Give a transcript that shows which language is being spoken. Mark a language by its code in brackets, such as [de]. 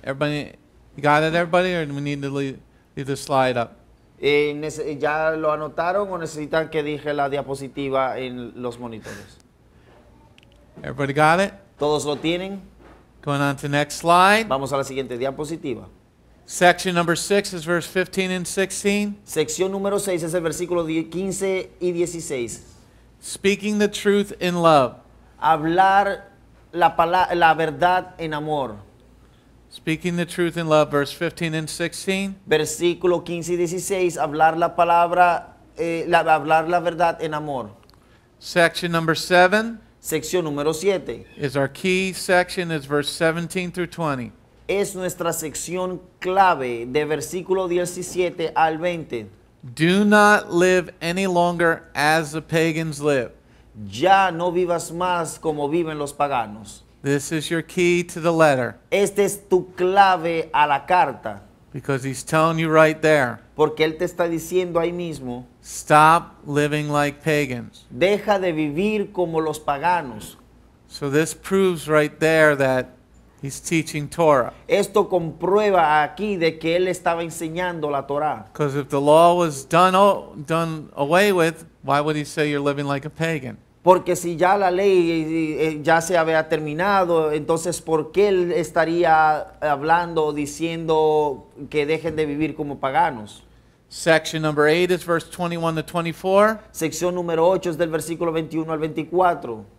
[en] Everybody, you got it, everybody, or do we need to leave the slide up? [es] Ya lo anotaron o necesitan que dije la diapositiva en los monitores. [en] Everybody got it? [es] Todos lo tienen. [en] Going on to the next slide. [es] Vamos a la siguiente diapositiva. [en] Section number 6 is verse 15 and 16. [es] Sección número 6 es el versículo 15 y 16. [en] Speaking the truth in love. [es] Hablar la verdad en amor. [en] Speaking the truth in love, verse 15 and 16. [es] Versículo 15 y 16, hablar la palabra, hablar la verdad en amor. [en] Section number 7. [es] Sección número 7. [en] Is our key section, is verse 17 through 20. [es] Es nuestra sección clave de versículo 17 al 20. [en] Do not live any longer as the pagans live. [es] Ya no vivas más como viven los paganos. [en] This is your key to the letter. [es] Esta es tu clave a la carta. [en] Because he's telling you right there. [es] Porque él te está diciendo ahí mismo. [en] Stop living like pagans. [es] Deja de vivir como los paganos. [en] So this proves right there that he's teaching Torah. [es] Esto comprueba aquí de que él estaba enseñando la Torah. [en] Because if the law was done away with, why would he say you're living like a pagan? [es] Porque si ya la ley ya se había terminado, entonces ¿por qué él estaría hablando o diciendo que dejen de vivir como paganos? [en] Section number 8 is verse 21 to 24. [es] Sección número 8 es del versículo 21 al 24.